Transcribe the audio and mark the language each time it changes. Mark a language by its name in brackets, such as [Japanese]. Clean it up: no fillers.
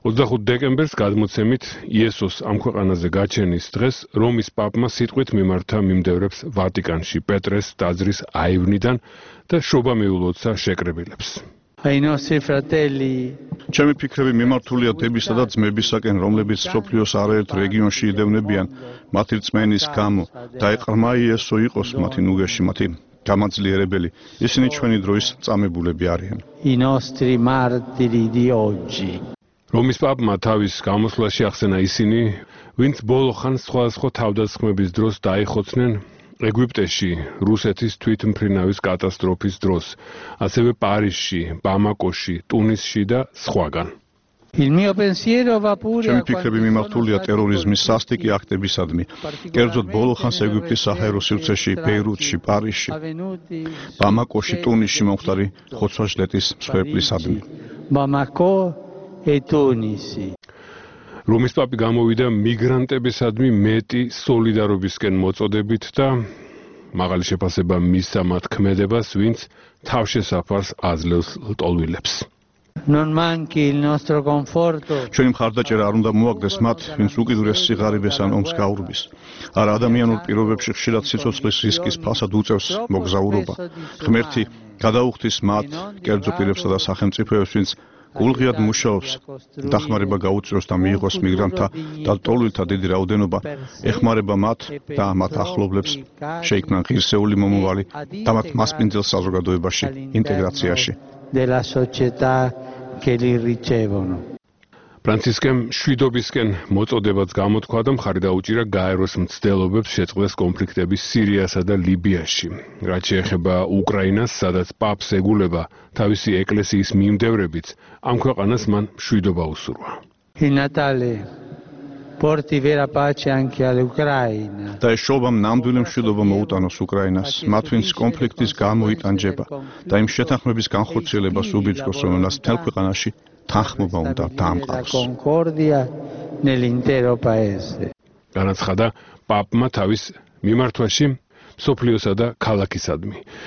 [Georgian] 25 დეკემბერს გადმოცემით იესოს ამ ქვეყანაზე გაჩენის დღეს რომის პაპმა სიტყვით მიმართა მიმდევრებს ვატიკანში პეტრეს ტაძრის აივნიდან და შობა მიულოცა შეკრებილებს. [Italian] ai nostri fratelli [Georgian] ჩემი ფიქრები მიმართულია დებისა და ძმებისაკენ, რომლებიც სოფლიოს არაერთ რეგიონში იდევნებიან მათი რწმენის გამო და ეყრმა იესო იყოს მათი ნუგეში, მათი გამაძლიერებელი. ისინი ჩვენი დროის წამებულები არიან. [Italian] I nostri martiri di oggi. [Georgian] რომის პაპმა თავის გამოსვლაში ახსენა ისინი, ვინც ბოლო ხანს სხვადასხვა თავდასხმების დროს დაიხოცნენ ეგვიპტეში რუსეთის თვითმფრინავის კატასტროფის დროს, ასევე პარიზში, ბამაკოში, ტუნისში და სხვაგან. [Italian] Il mio pensiero va pure a [Georgian] ჩემი ფიქრები მიმართულია ტერორიზმის სასტიკი აქტებისადმი. კერძოდ ბოლოხანს ეგვიპტის საჰაერო სივრცეში, ბეირუთში, პარიზში, ბამაკოში, ტუნისში მომხდარი ხოცვა-ჟლეტის მსხვერპლისადმი. [Italian] Bamako e Tunisi. [Georgian] რომის პაპი გამოვიდა მიგრანტებისადმი მეტი სოლიდარობისკენ მოწოდებით და მაღალი შეფასება მისცა მათ ქმედებას, ვინც თავშესაფარს აძლევს ლტოლვილებს. [Italian] Non manchi il nostro conforto. [Georgian] ჩვენი მხარდაჭერა არ უნდა მოაგდეს მათ, ვინც უკიდურეს სიღარიბეს ან ომს გაურბის. არა ადამიანურ პირობებში ხშირად სიცოცხლის რისკის ფასად უწევს მოგზაურობა. ღმერთი გადაუხდის მათ, კერძო პირებსა და სახელმწიფოებს, ვინც გულღიად მუშაობს, დახმარება გაუწიოს და მიიღოს მიგრანტთა და ლტოლვილთა დიდი რაოდენობა, ეხმარება მათ და მათ ახლობლებს, შეიქმნან ღირსეული მომავალი და მათ მასპინძელ საზოგადოებაში, ინტეგრაციაში. [Italian] Della società che li ricevono. [Georgian] Franciscan შვიდობისკენ მოწოდებაც გამოთქვა და მხარი დაუჭირა გაეროს მცდელობებს შეწყვეტას კონფლიქტების სირიასა და ლიბიაში. რაც შეეხება უკრაინას, სადაც პაპს ეგულება თავისი ეკლესიის მიმდევრებით, ამ ქვეყანას მან შვიდობა უსურვა. [Italian] Il Natale porti vera pace anche all'Ucraina. [Georgian] Და შობამ ნამდვილი მშვიდობა მოუტანოს უკრაინას, მათ ვინც კონფლიქტის გამო იტანჯება და იმ შეთანხმების განხორციელებას უბიძგოს, რომელსაც მთელ ქვეყანაში თანხმობა უნდა დაამყაროს. განაცხადა პაპმა თავის მიმართვაში მსოფლიოსა და ქალაქისადმი.